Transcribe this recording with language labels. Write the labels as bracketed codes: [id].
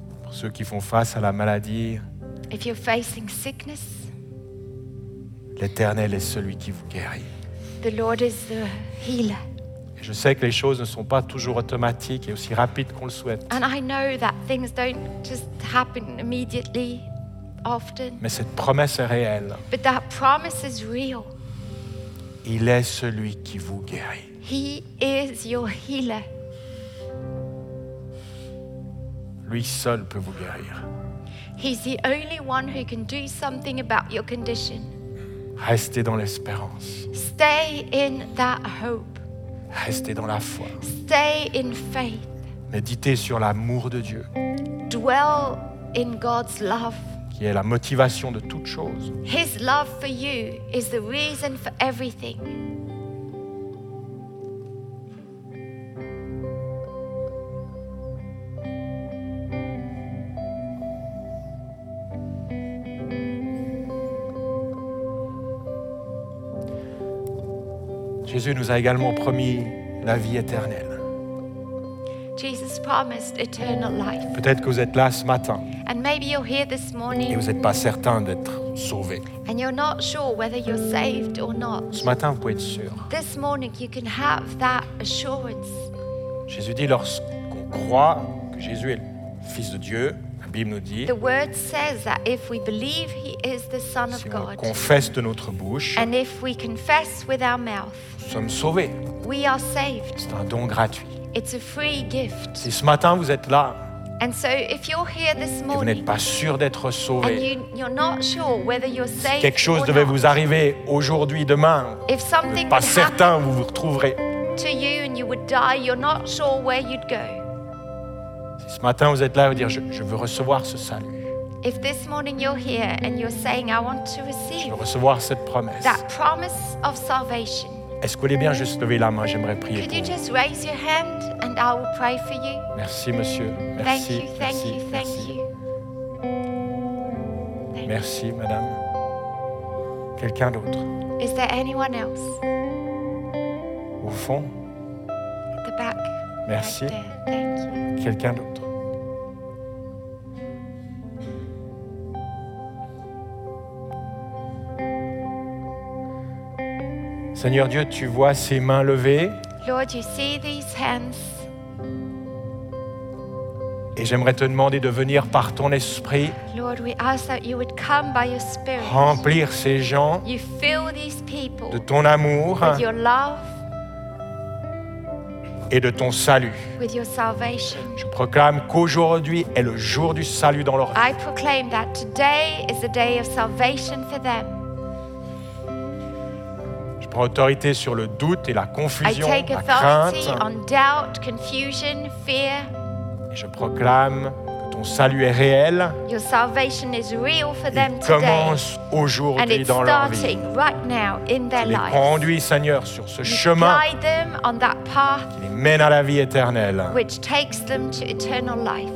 [fr] Ceux qui font face à la maladie. [en] If you're facing sickness, [fr] l'Éternel est celui qui vous guérit. [en] The Lord is the healer. [fr] Et je sais que les choses ne sont pas toujours automatiques et aussi rapides qu'on le souhaite. [en] And I know that things don't just happen immediately, often. [fr] Mais cette promesse est réelle. [en] But that promise is real. [fr] Il est celui qui vous guérit. [en] He is your healer. [fr] Lui seul peut vous guérir. [en] He's the only one who can do something about your condition. [fr] Restez dans l'espérance. [en] Stay in that hope. [fr] Restez dans la foi. [en] Stay in faith. [fr] Méditez sur l'amour de Dieu. [en] Dwell in God's love. [fr] Qui est la motivation de toute chose. [en] His love for you is the reason for everything. [fr] Jésus nous a également promis la vie éternelle. [en] Jesus promised eternal life. [fr] Peut-être que vous êtes là ce matin. [en] And maybe you're here this morning. [fr] Et vous n'êtes pas certain d'être sauvé. [en] And you're not sure whether you're saved or not. [fr] Ce matin, vous pouvez être sûr. [en] This morning, you can have that assurance. [fr] Jésus dit, lorsqu'on croit que Jésus est le Fils de Dieu, la Bible nous dit, [en] the word says that if we believe he is the Son of God, [fr] si on confesse de notre bouche, [en] and if we confess with our mouth, [fr] nous sommes sauvés. [en] We are saved. [fr] C'est un don gratuit. [en] It's a free gift. [fr] Si ce matin vous êtes là, [en] and so if you're here this morning, [fr] et vous n'êtes pas sûr d'être sauvé, [en] and you're not sure whether you're saved, [fr] si quelque chose devait vous arriver aujourd'hui, demain, [en] if something [fr] vous n'êtes pas certain où vous vous retrouverez, [en] to you and you would die, you're not sure where you'd go. [fr] Si ce matin vous êtes là, vous dire je veux recevoir ce salut. [en] If this morning you're here and you're saying I want to receive, [fr] je veux recevoir cette promesse. [en] That promise of salvation. [fr] Est-ce que vous voulez bien juste lever la main, j'aimerais prier [en] Could [fr] pour vous. [en] Could you just raise your hand and I will pray for you. [fr] Merci monsieur. Merci. [en] Thank you. You, thank [fr] merci. [en] You. Thank [fr] merci you. Madame. Quelqu'un d'autre? [en] Is there anyone else? [fr] Au fond. [en] At the back. [fr] Merci. [en] Right thank you. [fr] Quelqu'un d'autre? Seigneur Dieu, tu vois ces mains levées. [en] Lord, you see these hands. [fr] Et j'aimerais te demander de venir par ton esprit. [en] Lord, we ask that you would come by your spirit. [fr] Remplir ces gens. [en] You fill these people. [fr] De ton amour. [en] With your love. [fr] Et de ton salut. [en] With your salvation. [fr] Je proclame qu'aujourd'hui est le jour du salut dans leur vie. [en] I proclaim that today is the day of salvation for them. [fr] Je prends autorité sur le doute et la confusion, [en] I take [fr] la crainte. [en] On doubt, confusion, fear. [fr] Et je proclame que ton salut est réel. [en] Your salvation is real for [fr] Il [en] them [fr] commence [en] today. [fr] Aujourd'hui [en] And it's [fr] dans [en] starting [fr] leur vie. [en] Right now in their [fr] tu les [en] lives. [fr] Conduis, Seigneur, sur ce [en] you [fr] chemin [en] guide them on that path [fr] qui les mène à la vie éternelle. [en] Which takes them to eternal life.